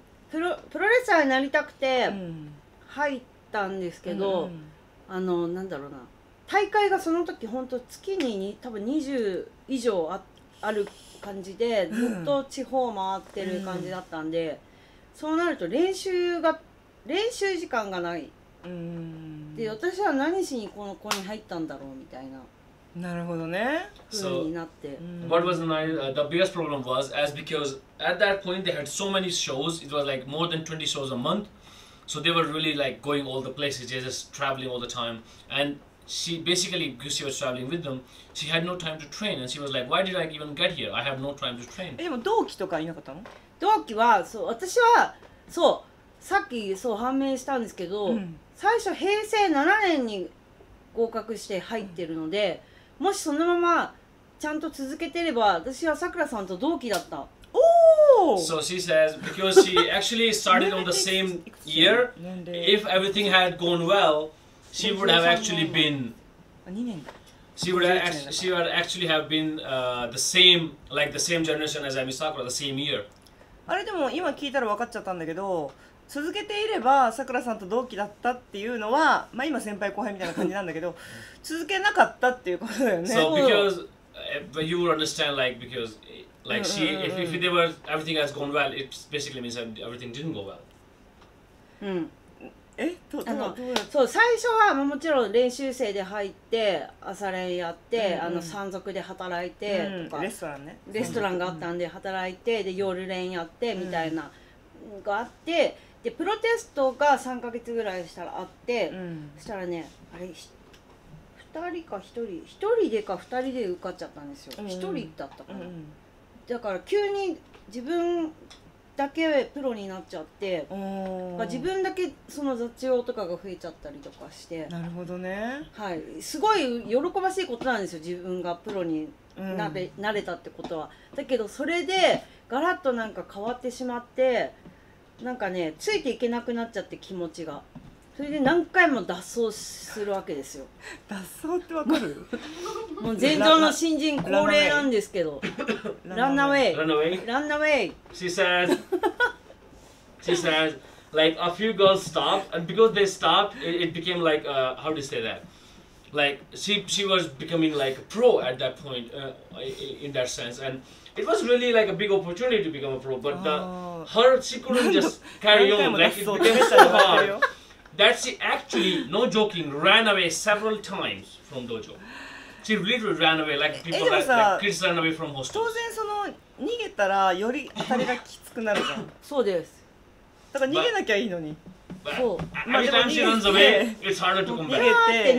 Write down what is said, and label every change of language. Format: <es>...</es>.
<ja>プロレスラーになりたくて入ったんですけど、うん、あの、なんだろうな、大会がその時本当月に多分20以上 ある感じで、ずっと地方回ってる感じだったんで、うん、そうなると練習時間がない、うん、で私は何しにこの子に入ったんだろうみたいな、なるほどね。そう。</ja> <en>What was the biggest problem was as because at that point they had so many shows. It was like more than 20 shows a month. So they were really like going all the places, just traveling all the time. And she basically, because she was traveling with them, she had no time to train. And she was like, why did I even get here? I have no time to train.</en> <ja>でも同期とかいなかったの？同期は、そう、私は、そう、さっきそう判明したんですけど、うん、最初平成7年に合格して入ってるので、もしそのままちゃんと続けてれば、私はさくらさんと同期だった。おお。</ja> <en>So she says because she actually started on the same year. If everything had gone well, she would have actually been.</en> <ja>2年だ。</ja> <en>She would actually have been the same like the same generation as Ami Sakura the same year.</en> <ja>あれでも今聞いたら分かっちゃったんだけど。続けていればさくらさんと同期だったっていうのは、まあ、今先輩後輩みたいな感じなんだけど続けなかったっていうことだよね。</ja> <en>So because but you would understand like because like she if they were everything has gone well it basically means everything didn't go well.</en> <ja>うん。え？どうだった？そう最初はもちろん練習生で入って朝練やって、うんうん、あの山賊で働いてとか、うん、レストランね。レストランがあったんで働いてで夜練やってみたいな。うんがあってでプロテストが3ヶ月ぐらいしたらあって、うん、そしたらねあれ2人か1人1人でか2人で受かっちゃったんですよ、うん、1人だったから、うん、だから急に自分だけプロになっちゃって、まあ、自分だけその雑用とかが増えちゃったりとかして、なるほどね、はい、すごい喜ばしいことなんですよ自分がプロに慣れたってことは、うん、だけどそれでガラッとなんか変わってしまってなんかねついていけなくなっちゃって気持ちがそれで何回も脱走するわけですよ。脱走ってわかる？もう前場の新人恒例なんですけど。</ja> <en>ランナウェイ。ランナウェイ。ランナウェイ。 She says, she says, like a few girls stopped and because they stopped, it became like, how do you say that? Like she was becoming like a pro at that point, in that sense and. It was really like a big opportunity to become a pro, but her, she couldn't just carry on. Like, it became so hard that she actually, no joking, ran away several times from dojo. She literally ran away, like people, like kids ran away from hostels.</en> <ja>当然その逃げたらより当たりがきつくなるじゃん。そうです。だから逃げなきゃいいのに。そう。</ja> <en>Every time she runs away, it's harder to come back.</en>